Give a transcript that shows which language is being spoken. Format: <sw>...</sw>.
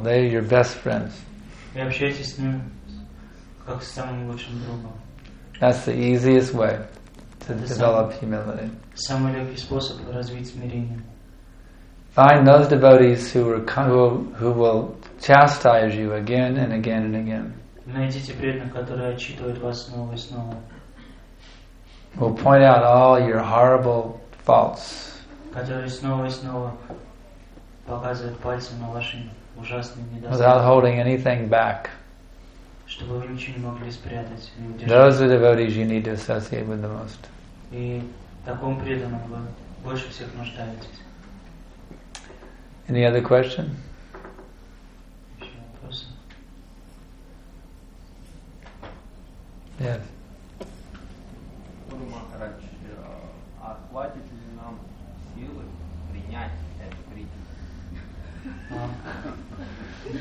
<en>They are your best friends. That's the easiest way to develop humility. Find those devotees who will chastise you again and again and again.</en> <ru>Найдите преданных, которые отчитывают вас снова и снова.</ru> <en>Will point out all your horrible faults.</en> <ru>Которые снова и снова показывают пальцем на ваши ужасные недостатки.</ru> <en>Without holding anything back.</en> <ru>Чтобы вы ничего не могли спрятать.</ru> <en>Those are the devotees you need to associate with the most.</en> <ru>И таком преданном вы больше всех нуждаетесь.</ru> <en>Any other question? Yes.</en> <ru>Гуру Махарадж, а хватит ли нам силы принять эту критику?</ru>